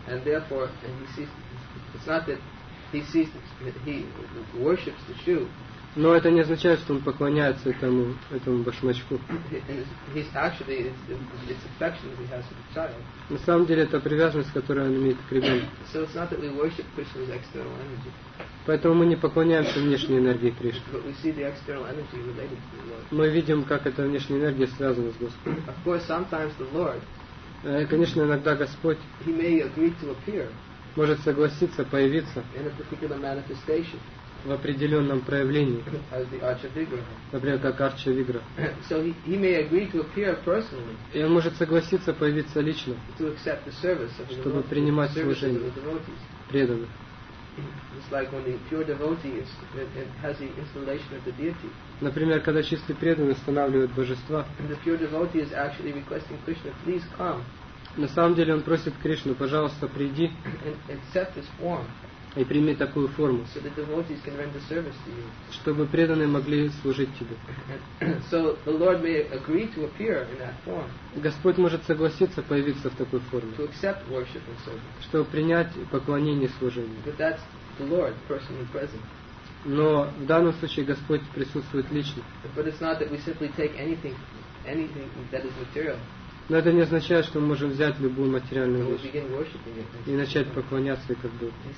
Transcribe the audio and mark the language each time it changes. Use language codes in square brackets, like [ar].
[en] And therefore, and he sees, it's not that he sees that he worships the shoe. [ru] Но это не означает, что он поклоняется этому башмачку. [en] He's actually it's affection that he has for the child. [ru] На самом деле это привязанность, которую он имеет к ребенку. [en] So it's not that we worship Krishna's external energy. [ru] Поэтому мы не поклоняемся внешней энергии Кришны. [en] But we see the external energy related to the Lord. [ru] Мы видим, как эта внешняя энергия связана с Господом. [en] Of course, sometimes the Lord, [ru] конечно, иногда Господь, [en] he may agree to appear, [ru] может согласиться появиться [en] in a particular manifestation, [ru] в определенном проявлении, [en] as the Archa-Vigraha. [ru] Например, как Арча-Вигра. [en] So he may agree to appear personally, [ru] и он может согласиться появиться лично, [en] to accept the service of the [ru] чтобы [en] Lord, [ru] принимать [en] the service [ru] служение [en] of the devotees. [ru] Преданных. [en] It's like when the pure devotee is, has the installation of the deity. [ru] Например, когда чистый преданный устанавливает божества. [en] And the pure devotee is actually requesting Krishna, please come. [ru] На самом деле он просит Кришну, пожалуйста, приди. [en] And accept this form. [ru] и прими такую форму, [en] so that devotees can render service to you. [ru] Чтобы преданные могли служить тебе. [en] So the Lord may agree to appear in that form. [ru] Господь может согласиться появиться в такой форме, [en] to accept worship and service. [ru] Чтобы принять поклонение и служение. [en] But that's the Lord personally present. [ru] Но в данном случае Господь присутствует лично. [en] But it's not that we simply take anything that is material. [ru] Но это не означает, что мы можем взять любую материальную вещь и начать поклоняться ей как бы.